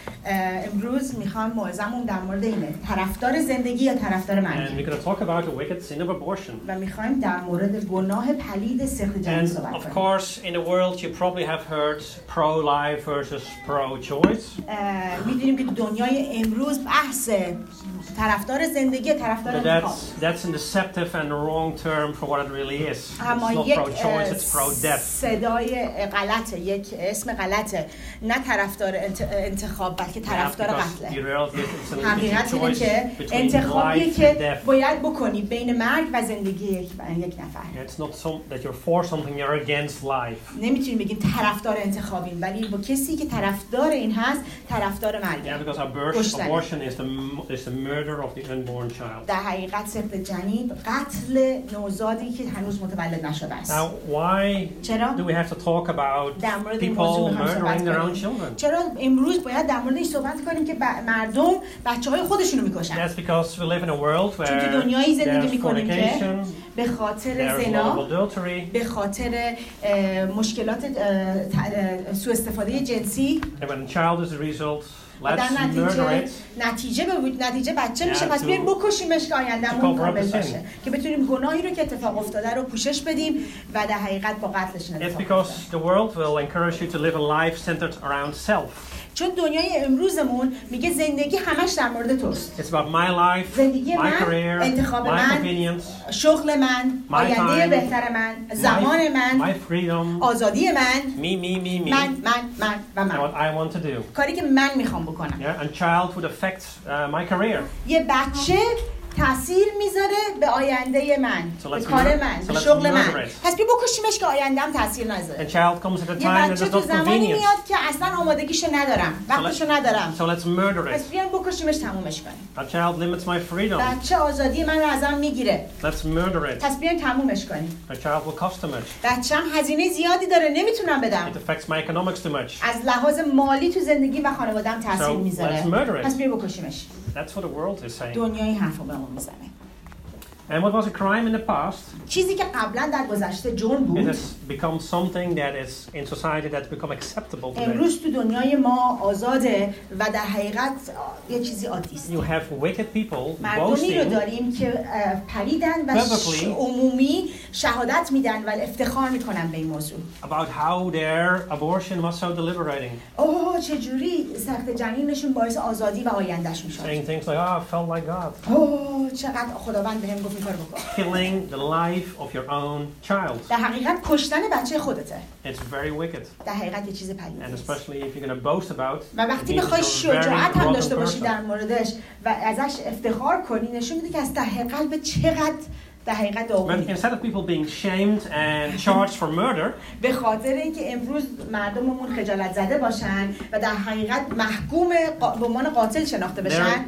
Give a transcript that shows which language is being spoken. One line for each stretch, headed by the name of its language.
Persian: امروز میخوام موعظه‌مون در مورد اینه طرفدار زندگی یا طرفدار مرگ.
English: And we're going to talk about the wicked sin of abortion.
Persian: و میخوایم در مورد گناه پلید سخت جنین صحبت کنیم.
English: Of course in the world you probably have heard pro life versus pro choice.
Persian: می‌دونیم که دنیای امروز بحث طرفدار زندگی طرفدار انتخاب.
English: That's an deceptive and wrong term for what it really is.
Persian: اما
English: it's not pro choice, it's pro death.
Persian: صدای غلطه، یک اسم غلطه. نه طرفدار انتخاب بلکه طرفدار قتله. حقیقت اینه که انتخابیه که باید بکنی بین مرگ و زندگی یک نفر.
English: It's not some that you're for something, you're against life.
Persian: نمیتونیم بگیم طرفدار انتخابیم، ولی با کسی که طرفدار این هست، طرفدار مرگ.
English: Yeah, because abortion is the murder of the unborn child.
Persian: در حقیقت سقط جنین قتل نوزادی که هنوز متولد نشده است.
English: Now why do we have to talk about people murdering their own children?
Persian: چرا امروز باید در مورد این صحبت کنیم که مردم بچه های خودشونو میکشن؟
English: That's because we live in a world where there's fornication,
Persian: به خاطر زنا، به خاطر مشکلات سوء استفاده جنسی.
English: And when a child is a result, let's murder it.
Persian: نتیجه بچه میشه، پس بیاییم بکشیمش که آیندهمون کامل باشه، که بتونیم گناهی رو که اتفاق افتاده رو پوشش بدیم و در حقیقت با قتلش نتیجه.
English: It's because the world will encourage you to live a life centered around self.
Persian: چون دنیای امروزمون میگه زندگی همش در مورد توست.
English: It's about my life,
Persian: زندگی
English: my
Persian: من،
English: career,
Persian: انتخاب
English: my
Persian: من، شغل من، آینده
English: time,
Persian: بهتر من، زمان من،
English: my freedom,
Persian: آزادی من،
English: me.
Persian: من و من.
English: And what I want to do.
Persian: کاری که من میخوام بکنم.
English: Yeah, and child would affect my career.
Persian: یه بچه تأثیر میذاره به آینده من، به کار من، به شغل من. پس بیا بکشیمش که آیندهم تأثیر نذاره. یه بچه تو زمانی میاد که اصلا آمادگیشو ندارم، وقتشو ندارم. پس بیا بکشیمش، تمومش کنیم. بچه آزادی من رو ازم میگیره. پس بیا تمومش کنیم. بچه‌م هزینه زیادی داره، نمیتونم بدم.
English: It affects my economics too much.
Persian: از لحاظ مالی تو زندگی و خانواده‌ام تأثیر میذاره. پس بیا بکشیمش.
English: That's what the world is saying.
Persian: دنیای حرف رو به ما میزنه.
English: And what was a crime in the past?
Persian: چیزی که قبلا در گذشته جرم بود.
English: It has become something that is in society that's become acceptable today.
Persian: امروز تو دنیای ما آزاده و در حقیقت یه چیزی عادی است.
English: You have wicked people boasting.
Persian: مردمی رو داریم که پریدن و عمومی شهادت میدن و افتخار میکنن به این موضوع.
English: About how their abortion was so liberating.
Persian: اوه چه جوری سخت جنینشون باعث آزادی و آیندهش میشد.
English: Saying things like, oh, I felt like God.
Persian: اوه چقدر خداوند بهم
English: killing the life of your own child.
Persian: در حقیقت کشتن بچه خودته.
English: It's very wicked.
Persian: در حقیقت یه چیز پلیدی.
English: And especially if you're going to boast about.
Persian: و وقتی بخوای شجاعت هم داشته باشی در موردش و ازش افتخار کنی، نشون میده که از ته قلب چقدر
English: When instead of people being shamed and charged for murder,
Persian: به خاطر اینکه امروز مردممون خجالت زده باشن و در حقیقت محکوم به عنوان قاتل شناخته بشن,